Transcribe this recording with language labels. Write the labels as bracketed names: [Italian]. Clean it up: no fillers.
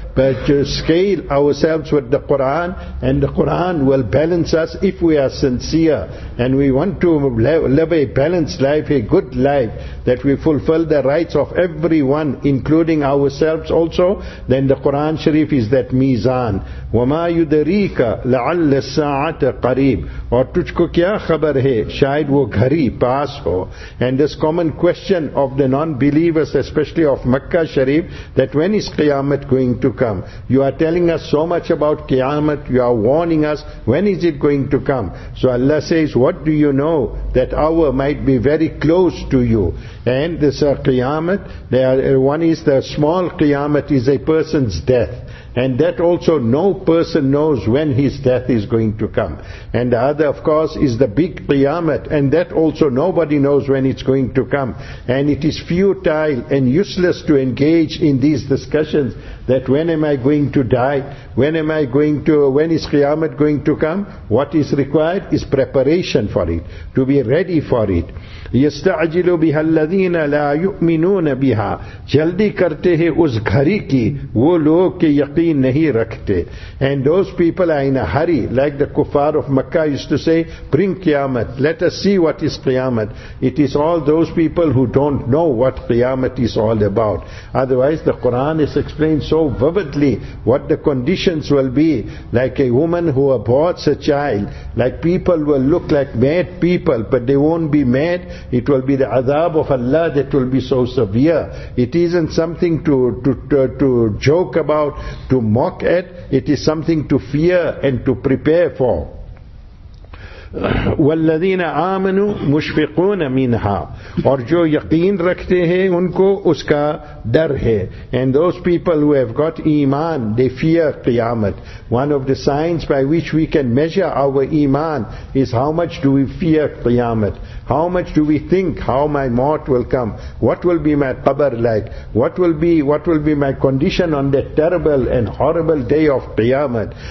[English] But to scale ourselves with the Quran, and the Quran will balance us if we are sincere and we want to live a balanced life, a good life, that we fulfill the rights of everyone, including ourselves also, then the Quran Sharif is that mizan. [Arabic] وَمَا يُدْرِيكَ لَعَلَّ السَّاعَةَ قَرِيبٌ. [Urdu] اور تجھ کو کیا خبر ہے شاید وہ گھری پاس ہو. [English] And this common question of the non-believers, especially of Makkah Sharif, that when is Qiyamah going to come? You are telling us so much about Qiyamah, you are warning us, when is it going to come? So Allah says, what do you know, that hour might be very close to you. And this Qiyamah, one is the small Qiyamah, is a person's death. And that also no person knows when his death is going to come. And the other, of course, is the big Qiyamah. And that also nobody knows when it's going to come. And it is futile and useless to engage in these discussions that when am I going to die? When is Qiyamah going to come? What is required is preparation for it, to be ready for it. [Arabic] يَسْتَعْجِلُ بِهَا الَّذِينَ لَا يُؤْمِنُونَ بِهَا. [Urdu] جلدی کرتے ہیں اس گھری کی وہ لوگ کے یقین نہیں رکھتے. [English] And those people are in a hurry, like the kuffar of Makkah used to say, bring Qiyamah, let us see what is Qiyamah. It is all those people who don't know what Qiyamah is all about. Otherwise the Quran is explained so vividly what the conditions will be, like a woman who aborts a child, like people will look like mad people, but they won't be mad. It will be the adab of Allah that will be so severe. It isn't something to joke about, to mock at. It is something to fear and to prepare for. [Arabic] وَالَّذِينَ آمَنُوا مُشْفِقُونَ مِنْهَا. [Urdu] اور جو یقین رکھتے ہیں ان کو اس کا ڈر ہے. [English] And those people who have got iman, they fear Qiyamat. One of the signs by which we can measure our iman is how much do we fear Qiyamat. How much do we think how my mort will come? What will be my qabr like? What will be my condition on that terrible and horrible day of Qiyamah?